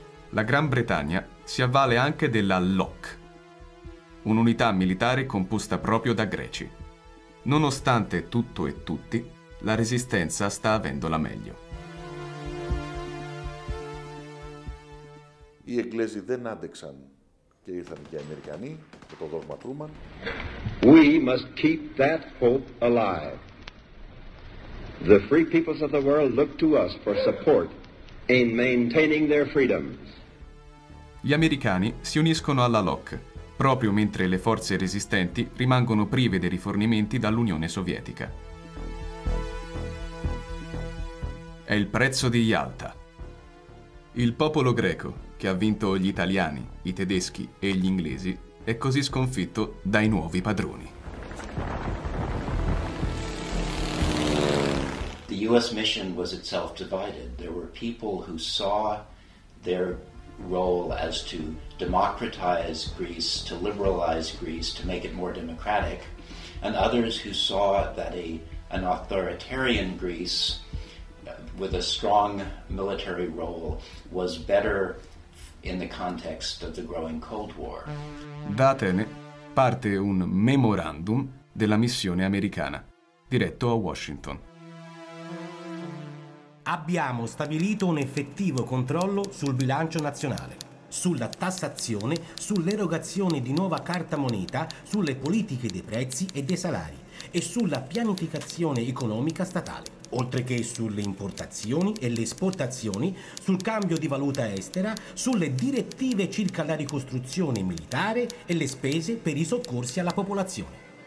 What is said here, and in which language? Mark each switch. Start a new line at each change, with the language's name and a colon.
Italian: la Gran Bretagna si avvale anche della LOC, un'unità militare composta proprio da greci. Nonostante tutto e tutti, la resistenza sta avendo la meglio.
Greek: Οι Εγγλέζοι δεν άντεξαν και ήρθαν και οι Αμερικανοί με το δόγμα Truman.
English: We must keep that hope alive. The free peoples of the world look to us for support in maintaining their freedoms.
Italian: Gli americani si uniscono alla LOC, proprio mentre le forze resistenti rimangono prive dei rifornimenti dall'Unione Sovietica. È il prezzo di Yalta. Il popolo greco, che ha vinto gli italiani, i tedeschi e gli inglesi, è così sconfitto dai nuovi padroni.
English: The US mission was itself divided. There were people who saw their role as to democratize Greece, to liberalize Greece, to make it more democratic, and others who saw that an authoritarian Greece with a strong military role was better in the context of the growing Cold War.
Italian: Da Atene parte un memorandum della missione americana, diretto a Washington. Abbiamo stabilito un effettivo controllo sul bilancio nazionale, sulla tassazione, sull'erogazione di nuova carta moneta, sulle politiche dei prezzi e dei salari e sulla pianificazione economica statale, oltre che sulle importazioni e le esportazioni, sul cambio di valuta estera, sulle direttive circa la ricostruzione militare e le spese per i soccorsi alla popolazione.